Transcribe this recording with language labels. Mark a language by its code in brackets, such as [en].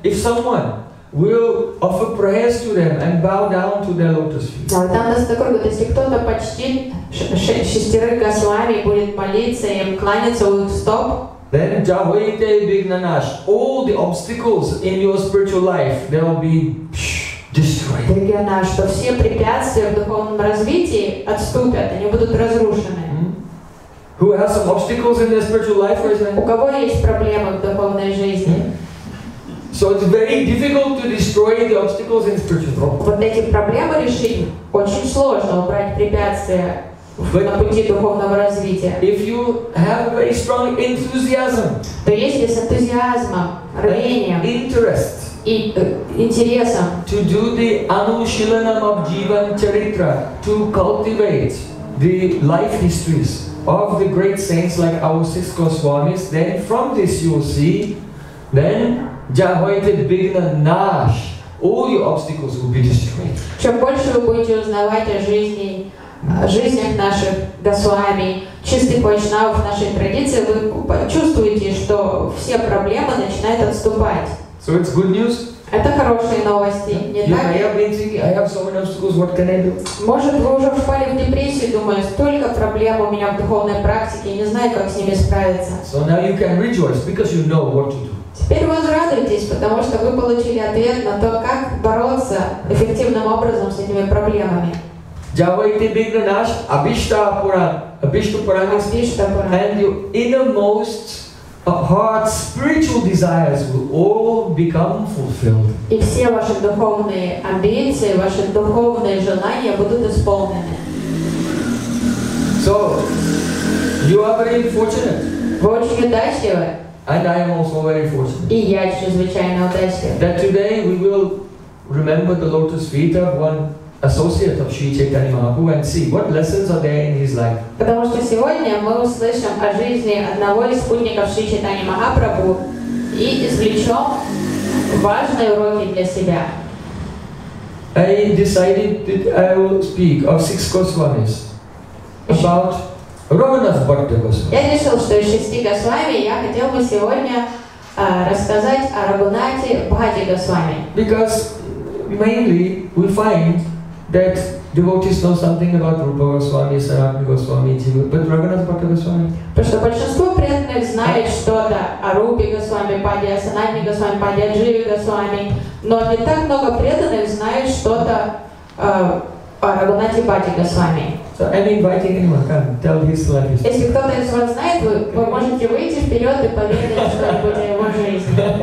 [en] If someone will offer prayers to them and bow down to their lotus feet. [ru] Там нас такой вот, если кто-то почтит шестерых Госвами, будет молиться и кланяться у их стоп. [en] Then Javite Vignanash, all the obstacles in your spiritual life, they will be destroyed. [ru] Дорогие наши, что все препятствия в духовном развитии отступят, они будут разрушены. [en] Who has some obstacles in their spiritual life? [ru] У кого есть проблемы в духовной жизни? [en] So it's very difficult to destroy the obstacles in spiritual life. [ru] Вот эти проблемы решить очень сложно, убрать препятствия на пути духовного развития. [en] If you have a very strong enthusiasm, [ru] то есть с энтузиазмом, рвением, [en] interest, [ru] и интересом, [en] to do the anushilanam of jivan charitra, to cultivate the life histories of the great saints like our six Goswamis, then from this you will see, then Jahoite Bhigna Nash, all your obstacles will be destroyed. [ru] Чем больше вы будете узнавать о жизни, о жизнях наших Госвами, чистых вайшнавов нашей традиции, вы почувствуете, что все проблемы начинают отступать. [en] So it's good news. [ru] Это хорошие новости, не так? [en] You have been thinking, I have so many obstacles, what can I do? [ru] Может, вы уже впали в депрессию, думаете, столько проблем у меня в духовной практике, не знаю, как с ними справиться. [en] So now you can rejoice, because you know what to do. [ru] Теперь возрадуйтесь, потому что вы получили ответ на то, как бороться эффективным образом с этими проблемами. [en] Javite Vignanash, Abhishtapuran, and your innermost heart's spiritual desires will all become fulfilled. [ru] И все ваши духовные амбиции, ваши духовные желания будут исполнены. [en] So, you are very fortunate. [ru] Вы очень удачливы. [en] And I am also very fortunate that today we will remember the lotus feet of one associate of Sri Chaitanya Mahaprabhu and see what lessons are there in his life. [ru] Потому что сегодня мы услышим о жизни одного из спутников Шри Чайтаньи Махапрабху и извлечем важные уроки для себя. [en] I decided that I will speak of six Goswamis about Raghunath Bhatta Goswami. [ru] Я решил, что из шести Госвами я хотел бы сегодня рассказать о Рагхунате Бхатте Госвами. [en] Because mainly we find that devotees know something about Rupa Goswami, Sarabhi Goswami, Jiva, but Raghunath Bhatta Goswami. [ru] Потому что большинство преданных знает что-то о Рупе Госвами, Падди, о Санатане Госвами, Падди, о Дживе Госвами, но не так много преданных знает что-то о Рагхунате Бхатте Госвами. [en] So I'm inviting anyone, come, tell his life. [ru] Если кто-то из вас знает, вы можете выйти вперед и поведать что-нибудь о его жизни.